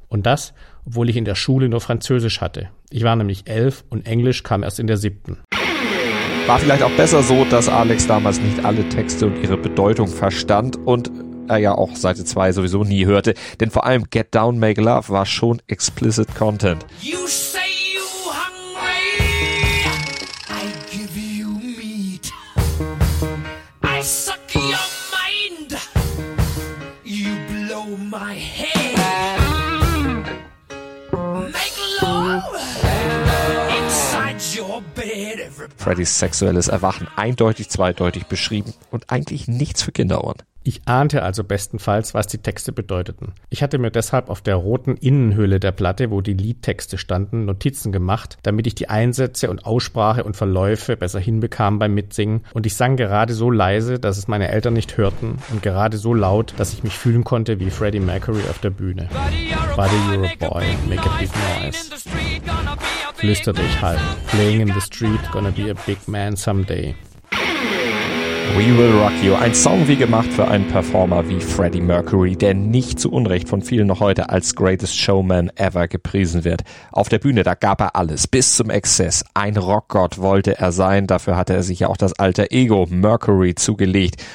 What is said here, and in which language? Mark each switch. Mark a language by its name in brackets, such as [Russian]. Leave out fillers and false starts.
[German] Und das, obwohl ich in der Schule nur Französisch hatte. Ich war nämlich 11 und Englisch kam erst in der 7. War vielleicht auch besser so, dass Alex damals nicht alle Texte und ihre Bedeutung verstand und er ja auch Seite 2 sowieso nie hörte. Denn vor allem Get Down, Make Love war schon explicit Content. [English] You say you hungry, I give you meat. I suck your mind, you blow my head. [German] Freddys sexuelles Erwachen, eindeutig zweideutig beschrieben und eigentlich nichts für Kinderohren. Ich ahnte also bestenfalls, was die Texte bedeuteten. Ich hatte mir deshalb auf der roten Innenhülle der Platte, wo die Liedtexte standen, Notizen gemacht, damit ich die Einsätze und Aussprache und Verläufe besser hinbekam beim Mitsingen. Und ich sang gerade so leise, dass es meine Eltern nicht hörten und gerade so laut, dass ich mich fühlen konnte wie Freddie Mercury auf der Bühne. [English] Buddy, you're a boy, make a big noise. [German] Flüsterte ich halb. [English] Playing in the street, gonna be a big man someday. [German] We Will Rock You, ein Song wie gemacht für einen Performer wie Freddie Mercury, der nicht zu Unrecht von vielen noch heute als Greatest Showman ever gepriesen wird. Auf der Bühne, da gab er alles, bis zum Exzess. Ein Rockgott wollte er sein, dafür hatte er sich ja auch das alter Ego Mercury zugelegt.